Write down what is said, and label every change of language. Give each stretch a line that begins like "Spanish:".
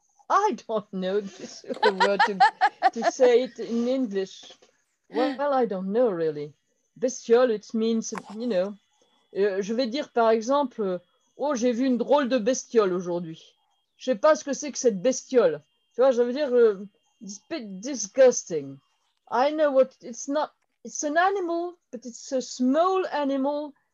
English: I don't know this word to say it in English. Well, I don't know really. Bestiole, it means, you know.
French: Je vais dire par exemple, oh, j'ai vu une drôle de bestiole aujourd'hui. Je ne sais pas ce que c'est que cette bestiole. Tu vois, je veux dire,
English: it's a bit disgusting. I know what it's not. It's an animal, but it's a small animal.